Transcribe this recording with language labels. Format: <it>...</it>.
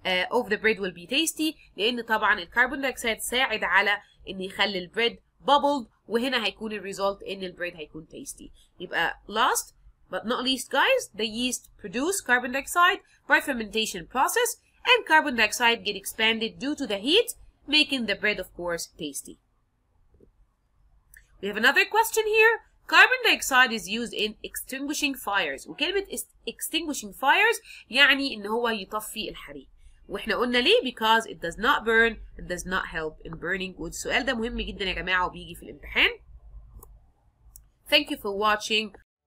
<en>of the bread will be tasty,</en> <ar>لان طبعا الكربون دايوكسيد ساعد على ان يخلي البريد bubbled, وهنا هيكون الريزولت ان البريد هيكون tasty.</ar> <en>يبقى last but not least guys, the yeast produce carbon dioxide by fermentation process, and carbon dioxide get expanded due to the heat, making the bread of course tasty. We have another question here. Carbon dioxide is used in extinguishing fires.</en> <ar>وكلمة extinguishing fires يعني ان هو يطفي الحريق. واحنا قلنا ليه؟</ar> <en>Because it does not burn, it does not help in burning wood.</en> <ar>السؤال ده مهم جدا يا جماعة وبيجي في الامتحان.</ar> <en>Thank you for watching.</en>